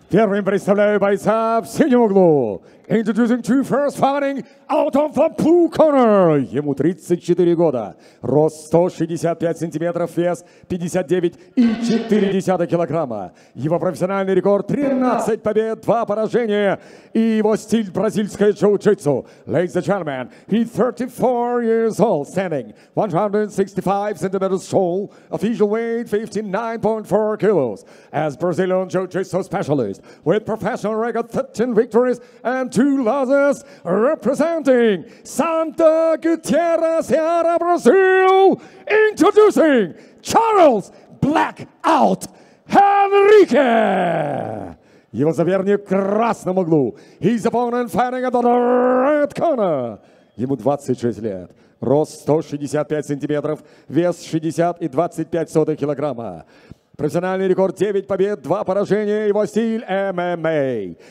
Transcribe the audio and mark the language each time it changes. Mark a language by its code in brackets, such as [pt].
[ru] Первым представляю бойца в синем углу. [en] Introducing to first fighting out of the blue corner. [ru] Ему 34 года. Рост 165 сантиметров, вес 59,4 килограмма. Его профессиональный рекорд 13 побед, 2 поражения. И его стиль бразильское джиу-джитсу. [en] Ladies and gentlemen, he's 34 years old, standing 165 centimeters tall, official weight 59.4 kilos. As Brazilian jiu-jitsu specialist, with professional record 13 victories and 2 losses, representing Santa Gutierrez, Ceará, Brazil, introducing Charles Blackout Henrique! [ru] Его соперник в красном углу. [en] His opponent fighting at the red corner. [ru] Ему 26 лет. Рост 165 сантиметров, вес 60,25 килограмма. Профессиональный рекорд 9 побед, 2 поражения, его стиль ММА.